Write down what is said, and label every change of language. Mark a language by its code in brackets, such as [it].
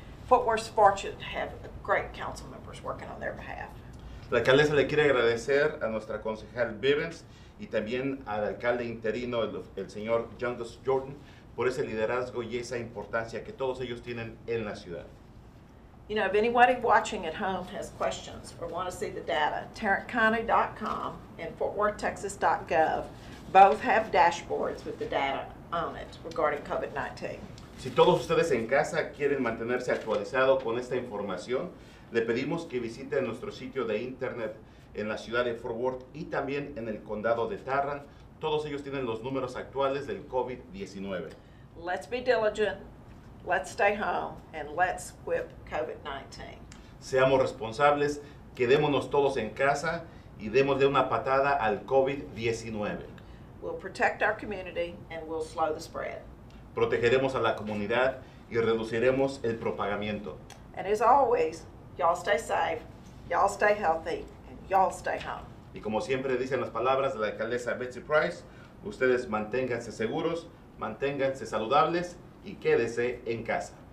[en] Fort Worth's fortunate to have great council members working on their behalf. [es] La alcaldesa le quiere agradecer a nuestra concejal Bibbins y también al alcalde interino, el señor Jonas Jordan, por ese liderazgo y esa importancia que todos ellos tienen en la ciudad. [en] You know, if anybody watching at home has questions or want to see the data, tarrantcounty.com and fortworthtexas.gov both have dashboards with the data on it regarding COVID-19. [es] Si todos ustedes en casa quieren mantenerse actualizado con esta información, le pedimos que visiten nuestro sitio de internet en la ciudad de Fort Worth y también en el condado de Tarrant. Todos ellos tienen los números actuales del COVID-19. [en] Let's be diligent, let's stay home, and let's whip COVID-19. [es] Seamos responsables, quedémonos todos en casa y démosle una patada al COVID-19. [en] We'll protect our community and we'll slow the spread. [es] Protegeremos a la comunidad y reduciremos el propagamiento. [en] And as always, y'all stay safe, y'all stay healthy, and y'all stay home. [es] Y como siempre dicen las palabras de la alcaldesa Betsy Price, ustedes manténganse seguros, manténganse saludables y quédese en casa.